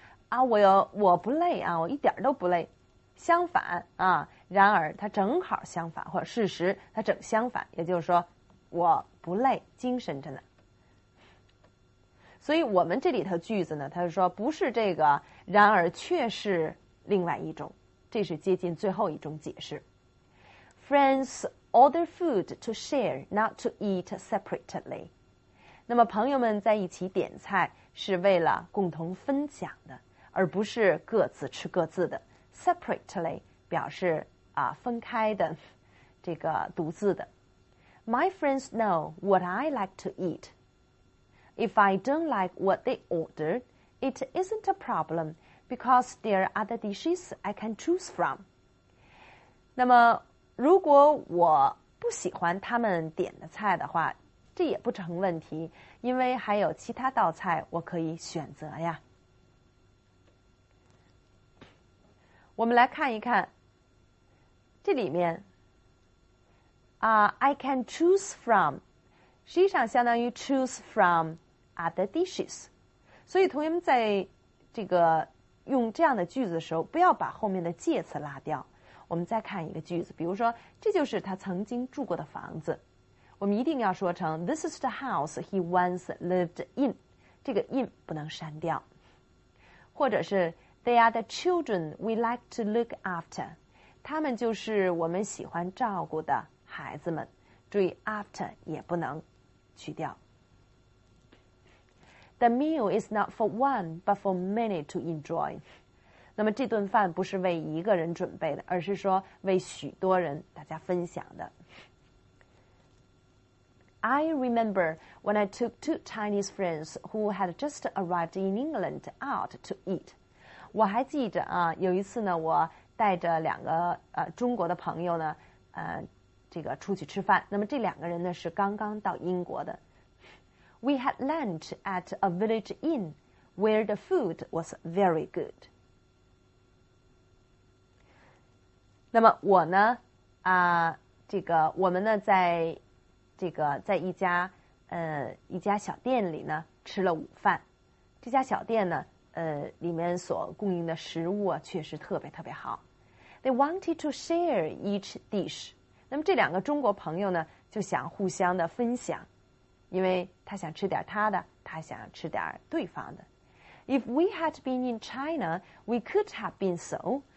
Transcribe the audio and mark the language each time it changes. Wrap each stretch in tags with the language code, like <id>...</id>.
<zh>啊我不累啊，我一点都不累。相反啊，然而它正好相反，或者事实它正相反，也就是说我不累，精神着呢。所以我们这里头句子呢，他就说不是这个，然而却是另外一种，这是接近最后一种解释。</zh> <en>Friends order food to share, not to eat separately.</en> <zh>那么朋友们在一起点菜是为了共同分享的，而不是各自吃各自的。 Separately 表示分开的，这个独自的。</zh> <en>My friends know what I like to eat. If I don't like what they order, it isn't a problem because there are other dishes I can choose from.</en> <zh>那么如果我不喜欢他们点的菜的话，这也不成问题，因为还有其他道菜我可以选择呀。我们来看一看这里面</zh> <en>I can choose from</en> <zh>实际上相当于</zh> <en>choose fromother dishes.</en> <zh>所以同学们在这个用这样的句子的时候，不要把后面的介词拉掉。我们再看一个句子，比如说这就是他曾经住过的房子，我们一定要说成</zh> <en>This is the house he once lived in.</en> <zh>这个 in 不能删掉。或者是</zh> <en>They are the children we like to look after.</en> <zh>他们就是我们喜欢照顾的孩子们。注意 after 也不能去掉。</zh> <en>The meal is not for one, but for many to enjoy.</en> <zh>那么这顿饭不是为一个人准备的，而是说为许多人大家分享的。</zh> <en>I remember when I took two Chinese friends who had just arrived in England out to eat.</en> <zh>我还记着啊，有一次呢，我带着两个中国的朋友呢，这个出去吃饭。那么这两个人呢是刚刚到英国的。</zh> <en>We had lunch at a village inn where the food was very good.</en> <zh>那么我呢，这个我们呢在这个在一家小店里呢吃了午饭。这家小店呢，里面所供应的食物啊确实特别特别好。</zh> <en>They wanted to share each dish.</en> <zh>那么这两个中国朋友呢就想互相的分享，因为他想吃点他的，他想吃点对方的。</zh> <en>If we had been in China, we could have been so.</en>